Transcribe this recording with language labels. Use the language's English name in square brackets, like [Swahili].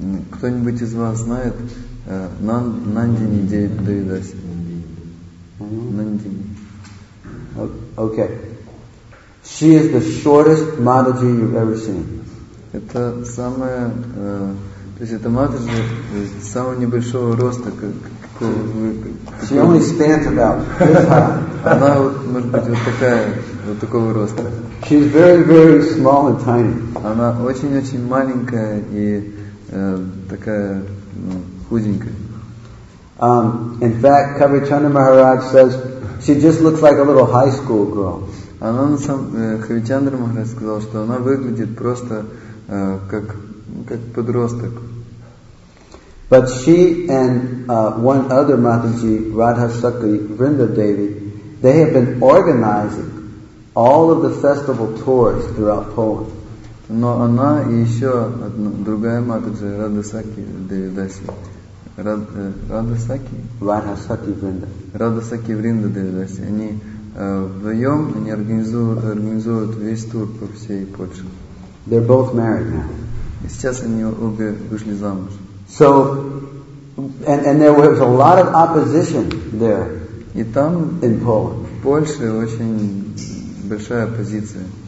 [Russian] Кто-нибудь из вас знает Нандини Девидас? Нандини. [English] Okay. She is the shortest Mataji you've ever seen. [Russian] Это самая то есть это Матаджи самого небольшого роста, какого вы... [English] She only stands about this high. [Russian] Она, вот, может быть, вот такая, вот такого роста. [English] She's very, very small and tiny. [Russian] Она очень-очень маленькая и такая, ну, худенькая. [English] In fact, Kavichandra Maharaj says, she just looks like a little high school girl. [Russian] Она на самом... Кавичандра Махарадж сказал, что она выглядит просто как... как подросток. [English] But she and one other Mataji, Radha Sakhi Vrinda Devi, they have been organizing all of the festival tours throughout Poland. [Russian] Но она и еще одна, другая Матаджи, Радха Сакхи Девидаси. Радха Сакхи? Радха Сакхи Вринда. Радха Сакхи Вринда Девидаси. Они вдвоем они организуют весь тур по всей Польше. [English] They're both married now. [Russian] Сейчас они обе вышли замуж. [English] So, and there was a lot of opposition there. [Russian] И там [English] in Poland. [Russian] В Польше очень большая оппозиция.